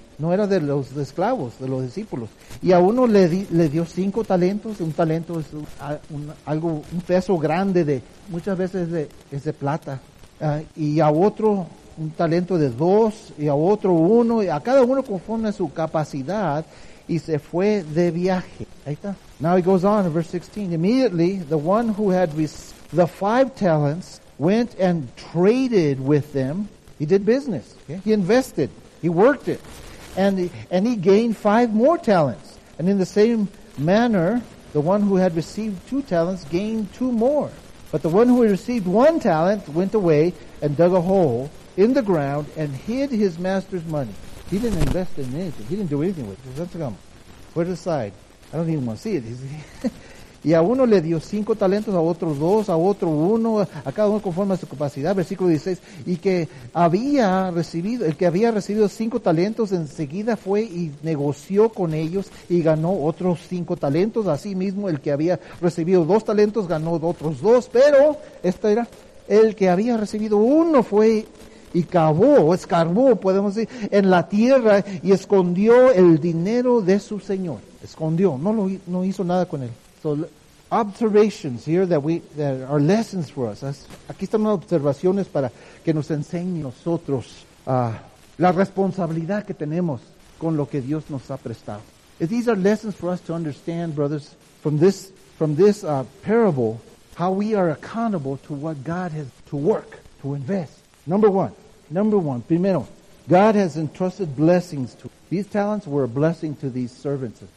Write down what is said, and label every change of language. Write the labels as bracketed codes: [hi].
[es] No era de los esclavos, de los discípulos. Y a uno le dio 5 talentos. Un talento es un peso grande, de muchas veces es de plata. Y a otro un talento de 2, y a otro 1, y a cada uno conforme a su capacidad, y se fue de viaje. Ahí está. [en] Now he goes on in verse 16. Immediately the one who had the 5 talents went and traded with them. He did business. Okay. He invested. He worked it. And he gained 5 more talents. And in the same manner, the one who had received 2 talents gained 2 more. But the one who had received 1 talent went away and dug a hole in the ground and hid his master's money. He didn't invest in anything. He didn't do anything with it. Let's come. Put it aside. I don't even want to see it. [es] Y a uno le dio 5 talentos, a otro 2, a otro 1, a cada uno conforme a su capacidad. Versículo 16. Y que había recibido, el que había recibido 5 talentos, enseguida fue y negoció con ellos y ganó otros 5 talentos. Así mismo, el que había recibido 2 talentos ganó otros 2. Pero esto era, el que había recibido 1 fue y cavó, escarbó, podemos decir, en la tierra y escondió el dinero de su señor. Escondió, no hizo nada con él. [en] So observations here that are lessons for us. [es] Aquí están observaciones para que nos enseñe nosotros la responsabilidad que tenemos con lo que Dios nos ha prestado. [en] These are lessons for us to understand, brothers, from this parable, how we are accountable to what God has to work, to invest. Number one, primero, God has entrusted blessings to these talents were a blessing to these servants.